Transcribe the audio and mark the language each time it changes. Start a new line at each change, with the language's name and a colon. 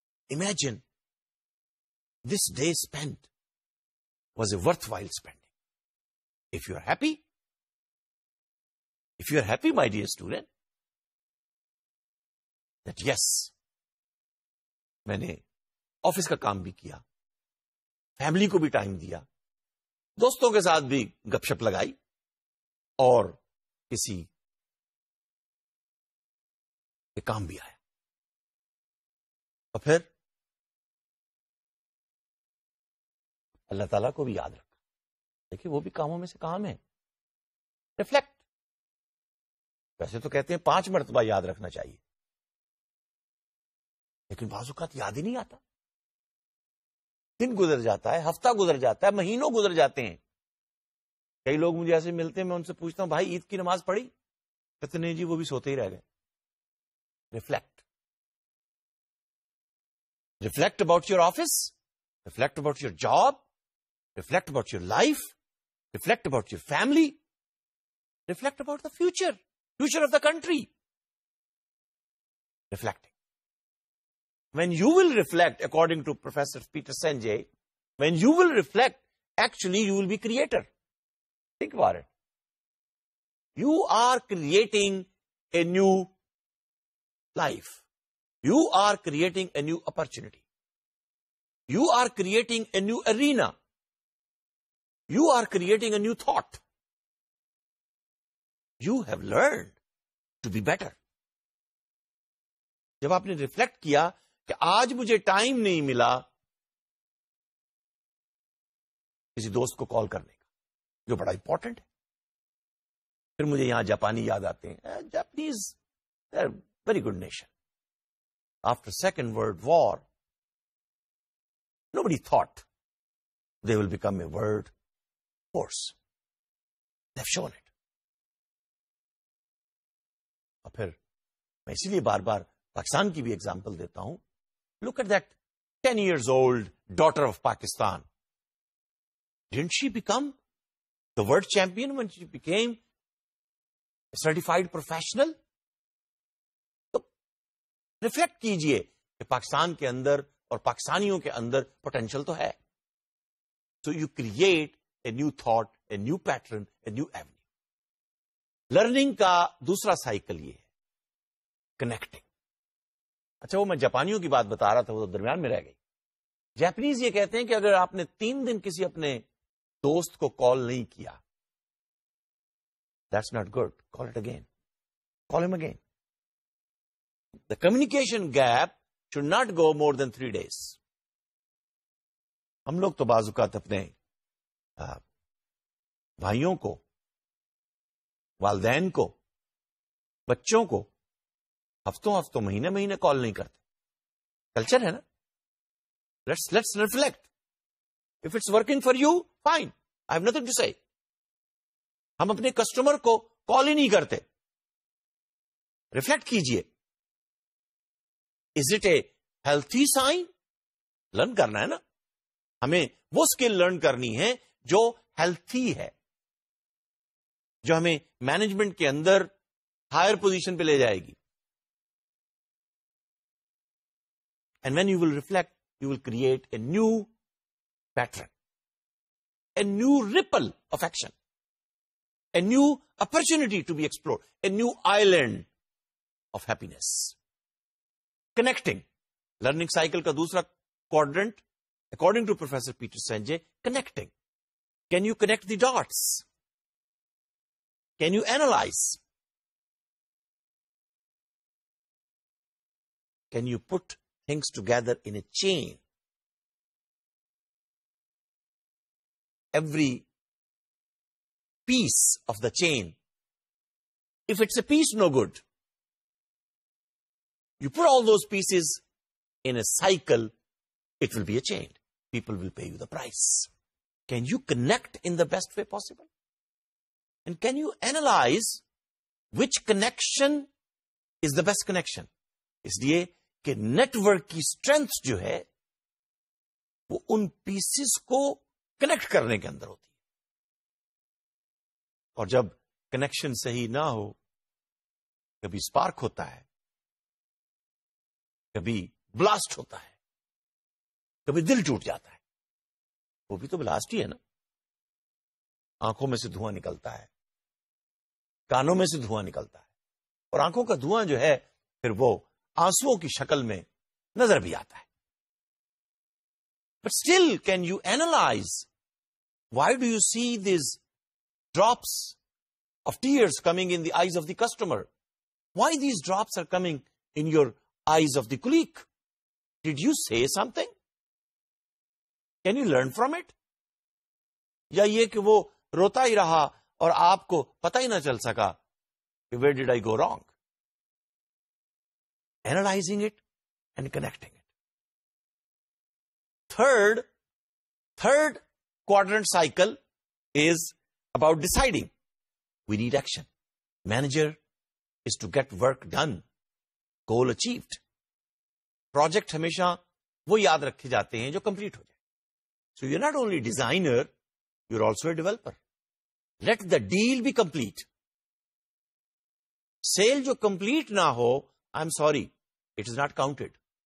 English: Imagine this day spent was a worthwhile spending. If you are happy my dear student, that yes,
Urdu: maine office ka kaam bhi kiya, family ko bhi time diya, دوستوں کے ساتھ بھی گپ شپ لگائی, اور کسی کے کام بھی آیا, اور پھر اللہ تعالی کو بھی یاد رکھا. دیکھیں وہ بھی کاموں میں سے کام ہے, ریفلیکٹ. ویسے تو کہتے ہیں پانچ مرتبہ یاد رکھنا چاہیے, لیکن بعض اوقات یاد ہی نہیں آتا. دن گزر جاتا ہے, ہفتہ گزر جاتا ہے, مہینوں گزر جاتے ہیں. کئی لوگ مجھے ایسے ملتے ہیں, میں ان سے پوچھتا ہوں بھائی عید کی نماز پڑھی, کہتے ہیں جی وہ بھی سوتے ہی رہ گئے. Reflect,
English: Reflect about your office. Reflect about your job. Reflect about your life. Reflect about your family. Reflect about the future. Future of the country. Reflecting. When you will reflect, according to Professor Peter Senge, when you will reflect, actually you will be creator. Think about it. You are creating a new life. You are creating a new opportunity. You are creating a new arena. You are creating a new thought. You have learned to be better.
Urdu: جب آپ نے reflect کیا کہ آج مجھے time نہیں ملا کسی دوست کو کال کرنے کا جو بڑا امپورٹنٹ ہے, پھر مجھے یہاں جاپانی یاد آتے ہیں,
English: Japanese very good nation. After second world war nobody thought they will become a world force. They've shown it.
Urdu: اور پھر میں اسی لیے بار بار پاکستان کی بھی ایگزامپل دیتا ہوں.
English: Look at that 10 years old daughter of Pakistan. Didn't she become the world champion when she became a certified professional?
Urdu: تو ریفلیکٹ کیجئے کہ پاکستان کے اندر اور پاکستانیوں کے اندر پوٹینشیل تو ہے.
English: So you create a new thought, a new pattern, a new avenue.
Urdu: Learning کا دوسرا سائیکل یہ ہے, کنیکٹنگ. اچھا وہ میں جاپانیوں کی بات بتا رہا تھا, وہ تو درمیان میں رہ گئی. جاپانیز یہ کہتے ہیں کہ اگر آپ نے 3 دن کسی اپنے دوست کو کال نہیں کیا,
English: That's not good, call it again, call him again.
Urdu: The communication gap should not go more than 3 days. ہم لوگ تو بعض اوقات اپنے بھائیوں کو, والدین کو, بچوں کو ہفتوں مہینے مہینے کال نہیں کرتے. کلچر ہے نا.
English: Let's reflect. If it's working for you, fine. I have nothing to say.
Urdu: ہم اپنے کسٹمر کو کال ہی نہیں کرتے. Reflect کیجئے.
English: Is it a healthy sign?
Urdu: Learn کرنا ہے نا, ہمیں وہ skill learn کرنی ہے جو healthy ہے, جو ہمیں management کے اندر higher position پہ لے جائے گی.
English: And when you will reflect, you will create a new pattern, a new ripple of action, a new opportunity to be explored, a new island of happiness. Connecting.
Urdu: Learning cycle کا دوسرا کوارڈرنٹ according to professor Peter Senge, connecting.
English: Can you connect the dots? Can you analyse? Can you put things together in a chain? Every piece of the chain, if it's a piece no good, you put all those pieces in a cycle, it will be a chain. People will pay you the price. Can you connect in the best way possible? And can you analyze which connection is the best connection?
Urdu: Is the network ki strength jo hai, wo un pieces ko connect karne ke andar hoti. Aur jab connection sahi na ho, kabhi spark hota hai, kabhi blast ہوتا ہے, کبھی دل ٹوٹ جاتا ہے. وہ بھی تو بلاسٹ ہی ہے نا. آنکھوں میں سے دھواں نکلتا ہے, کانوں میں سے دھواں نکلتا ہے, اور آنکھوں کا دھواں جو ہے پھر وہ آنسوؤں کی شکل میں نظر بھی آتا ہے.
English: But still can you analyse why do you see these drops of tears coming in the eyes of the customer? Why these drops are coming in your eyes of the colleague? Did you say something? Can you learn from it?
Urdu: Ya ye ki wo rota hi raha aur aapko pata hi na chal saka,
English: where did I go wrong? Analyzing it and connecting it. Third quadrant cycle is about deciding. We need action. Manager is to get work done, goal achieved.
Urdu: Project ہمیشہ وہ یاد رکھے جاتے ہیں جو complete ہو جائے.
English: So you not only designer, you are also a developer. Let the deal be complete.
Urdu: Cell جو complete نہ ہو,
English: I'm sorry, it is not counted.